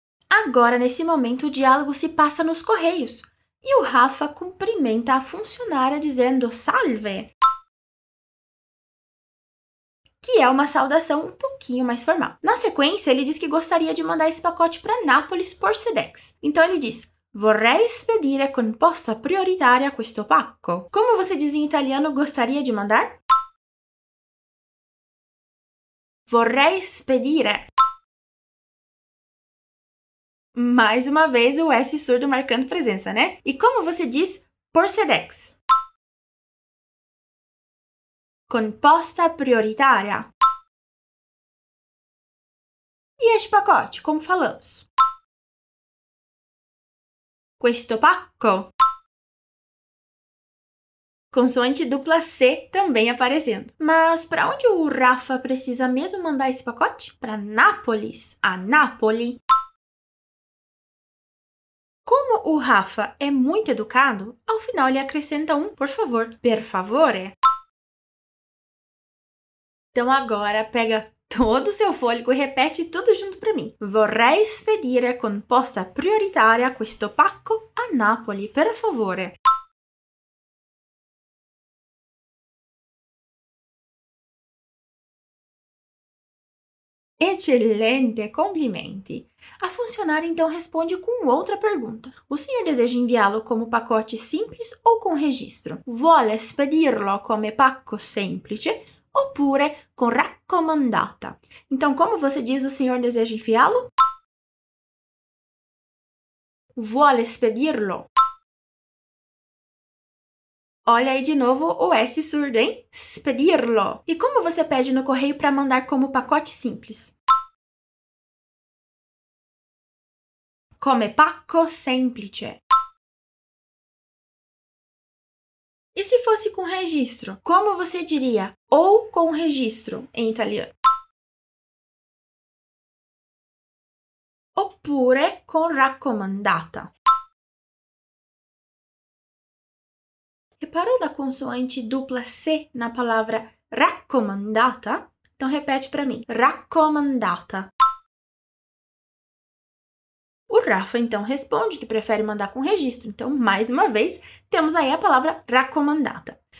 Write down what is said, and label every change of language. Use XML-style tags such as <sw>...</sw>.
<pt>Agora, nesse momento, o diálogo se passa nos correios. E o Rafa cumprimenta a funcionária dizendo salve. Que é uma saudação um pouquinho mais formal. Na sequência, ele diz que gostaria de mandar esse pacote para Nápoles por Sedex. Então, ele diz:</pt> <it>vorrei spedire con posta prioritaria questo pacco.</it> <pt>Como você diz em italiano, gostaria de mandar?</pt> <it>Vorrei spedire.</it> <pt>Mais uma vez, o S surdo marcando presença, né? E como você diz por Sedex?</pt> <it>Con posta prioritaria.</it> <pt>E este pacote, como falamos?</pt> <it>Questo pacco.</it> <pt>Consoante dupla C também aparecendo. Mas para onde o Rafa precisa mesmo mandar esse pacote? Para Nápoles. A Nápoles. Como o Rafa é muito educado, ao final ele acrescenta um por favor.</pt> <it>Per favore.</it> <pt>Então agora pega todo o seu fôlego e repete tudo junto para mim.</pt> <it>Vorrei spedire con posta prioritaria questo pacco a Napoli, per favore. Eccellente, complimenti.</it> <pt>A funcionária então responde com outra pergunta. O senhor deseja enviá-lo como pacote simples ou com registro?</pt> <it>Vuole spedirlo come pacco semplice oppure con raccomandata?</it> <pt>Então, como você diz o senhor deseja enviá-lo?</pt> <it>Vuole spedirlo.</it> <pt>Olha aí de novo o S surdo, hein? Spedirlo. E como você pede no correio para mandar como pacote simples?</pt> <it>Come pacco semplice.</it> <pt>E se fosse com registro? Como você diria ou com registro em italiano?</pt> <it>Oppure con raccomandata.</it> <pt>Reparou na consoante dupla C na palavra raccomandata? Então repete para mim.</pt> <it>Raccomandata.</it> <pt>O Rafa então responde que prefere mandar com registro. Então, mais uma vez, temos aí a palavra raccomandata.</pt>